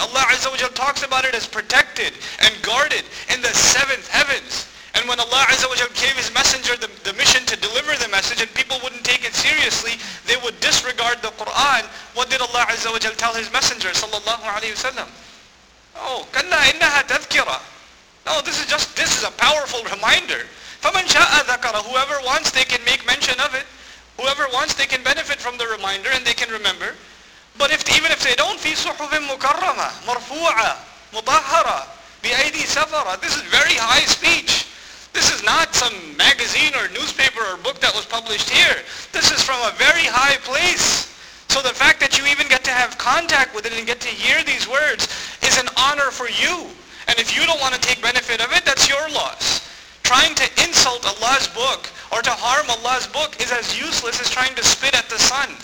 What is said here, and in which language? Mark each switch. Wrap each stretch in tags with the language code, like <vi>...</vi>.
<en>Allah Azza wa Jal talks about it as protected and guarded in the seventh heavens. And when Allah Azza wa Jal gave His Messenger the mission to deliver the message and people wouldn't take it seriously, they would disregard the Qur'an, what did Allah Azza wa Jal tell His Messenger, sallallahu alayhi wa sallam?</en> <ar>Oh, كَلَّا إِنَّهَا تَذْكِرَةً.</ar> <en>No, this is a powerful reminder.</en> <ar>فَمَنْ شَاءَ ذَكَرَ.</ar> <en>Whoever wants, they can make mention of it. Whoever wants, they can benefit from the reminder and they can remember. But even if they don't,</en> <ar>فِي صُحُفٍ مُكَرَّمَةً مَرْفُوعَةً مُطَهَّرَةً بِأَيْدِي سَفَرَةً.</ar> <en>This is very high speech. This is not some magazine or newspaper or book that was published here. This is from a very high place. So the fact that you even get to have contact with it and get to hear these words is an honor for you. And if you don't want to take benefit of it, that's your loss. Trying to insult Allah's book or to harm Allah's book is as useless as trying to spit at the sun.</en>